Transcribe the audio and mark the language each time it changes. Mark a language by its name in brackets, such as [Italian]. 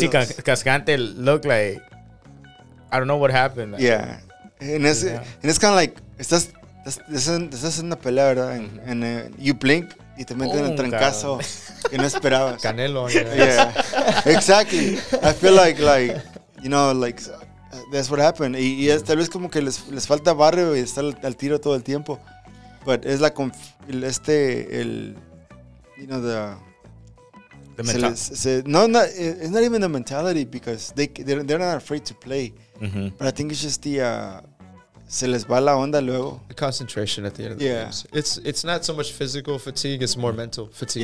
[English] Because I see Cascante look like, I don't know what happened. Like, yeah. And it's kind of like, [Spanish] estás en la pelea, ¿verdad? [English] Mm-hmm. And you blink, [Spanish] y te meten el trancazo que no esperabas. Canelo. [English] Yeah. Exactly. I feel like, you know, like, that's what happened. [Spanish] Y es, tal vez como que les falta barrio y estar al tiro todo el tiempo. [English] But [Spanish] es la, [English] you know, the... it's not even the mentality, because they're not afraid to play. Mm-hmm. But I think it's just the [Spanish] se les va la onda luego. [English] The concentration at the end of the game. It's not so much physical fatigue, it's more mental fatigue.